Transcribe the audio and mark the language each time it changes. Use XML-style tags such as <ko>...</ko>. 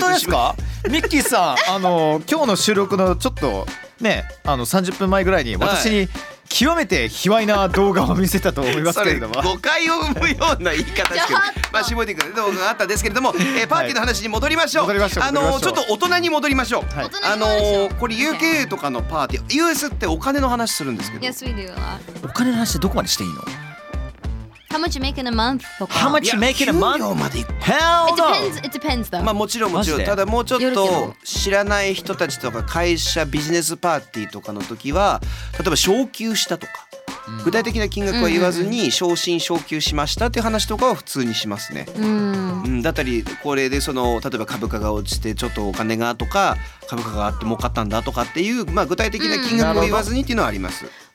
<ja>本当ですかミッキーさん、あの今日の収録のちょっとね、あの30分前ぐらいに私に、はい、極めて卑猥な動画を見せたと思いますけれども、誤解を生むような言い方ですけど、まあ、シモティ君の動画があったんですけれども、パーティーの話に戻りましょう、はい、ちょっと大人に戻りましょう、はい、これ UK とかのパーティー、 US ってお金の話するんですけど、</ja> <en>Yes, we do.</en> <ja>お金の話ってどこまでしていいの。</ja> <en>How much you make in a month?</en> <ja>とか。</ja> <en>How much you make in a month?</en> <ja>給料まで</ja> <en>Hell no! It depends though.</en> <ja>まあもちろんもちろん。ただもうちょっと知らない人たちとか会社、ビジネスパーティーとかの時は、例えば昇給したとか、具体的な金額は言わずに昇進昇給しましたっていう話とかは普通にしますね。だったりこれでその例えば株価が落ちてちょっとお金がとか、株価があって儲かったんだとかっていう、まあ具体的な金額を言わずにっていうのはあります。</ja>